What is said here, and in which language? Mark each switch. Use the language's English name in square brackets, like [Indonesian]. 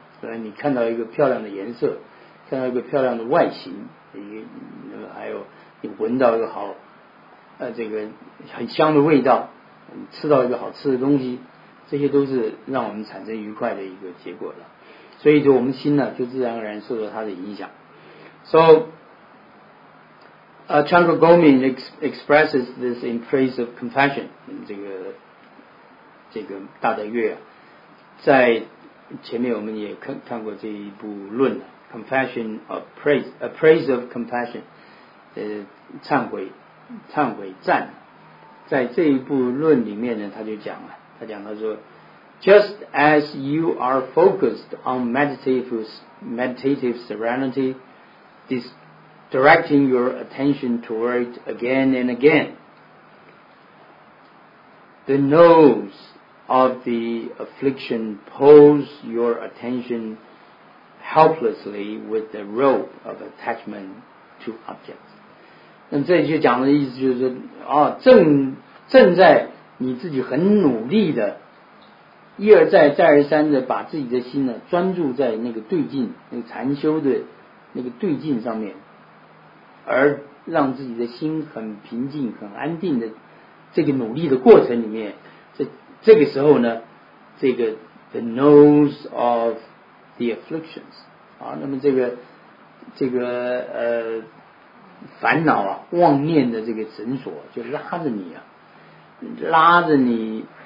[Chinese] 所以你看到一个漂亮的颜色，看到一个漂亮的外形，那个还有你闻到一个好，这个很香的味道，你吃到一个好吃的东西，这些都是让我们产生愉快的一个结果的。所以就我们心呢就自然而然受到它的影响。 [English] So Chandra Gomin expresses this in praise of compassion. [Chinese] 这个大德月、啊、在前面我们也 看过这一部论 Compassion of Praise, A Praise of Compassion 忏悔赞。在这一部论里面呢，他讲他说 [English] Just as you are focused on meditative serenity, directing your attention toward again and again, the nose of the affliction pulls your attention helplessly with the rope of attachment to objects. [Chinese] 那这句讲的意思就是、啊、正在你自己很努力的一而再再而三的把自己的心呢专注在那个对境，那个禅修的那个对境上面，而让自己的心很平静很安定的这个努力的过程里面，这个时候呢，这个 [English] the nose of the afflictions [Chinese] 啊，那么这个烦恼啊妄念的这个绳索就拉着你